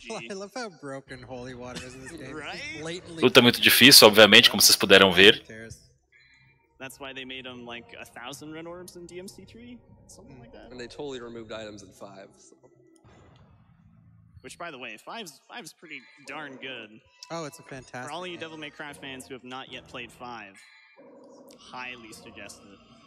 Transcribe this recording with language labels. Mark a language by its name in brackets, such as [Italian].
[English] I love how broken holy water is in this game. [Portuguese] Luta muito difícil, obviamente, como vocês puderam ver. [English] That's why they made them like 1,000 red orbs in DMC3, something like that. And they totally removed items in 5. So. Which, by the way, 5's pretty darn good. Oh, it's a fantastic For all you Devil May Cry fans who have not yet played 5, highly suggest it.